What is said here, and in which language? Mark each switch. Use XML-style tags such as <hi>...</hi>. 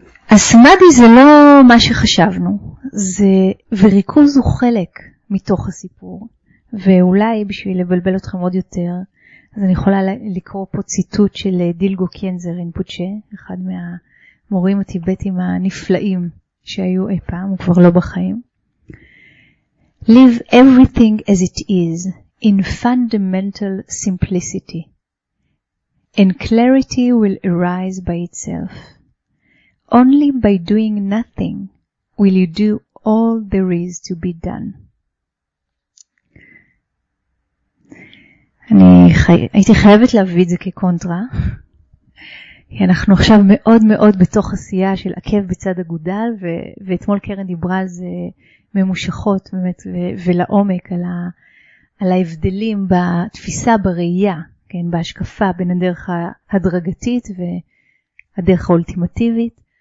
<he>הסמאדי זה לא מה שחשבנו, זה, וריכוז הוא חלק מתוך הסיפור, ואולי בשביל לבלבל אתכם עוד יותר, אז אני יכולה לקרוא פה ציטוט של דילגו קיינזר רינפוצ'ה, אחד מהמורים הטיבטים הנפלאים שהיו אי פעם, הוא כבר לא בחיים.</he> <en>Live everything as it is, in fundamental simplicity, and clarity will arise by itself. Only by doing nothing will you do all there is to be done.</en> <he>אני הייתי חייבת להביא את זה כקונטרה, כי אנחנו עכשיו מאוד מאוד בתוך עשייה של עקב בצד אגודל, ואתמול קרן דיברה על זה ממושכות באמת ולעומק, על ההבדלים בתפיסה, בראייה, כן, בהשקפה בין הדרך ההדרגתית והדרך האולטימטיבית.</he>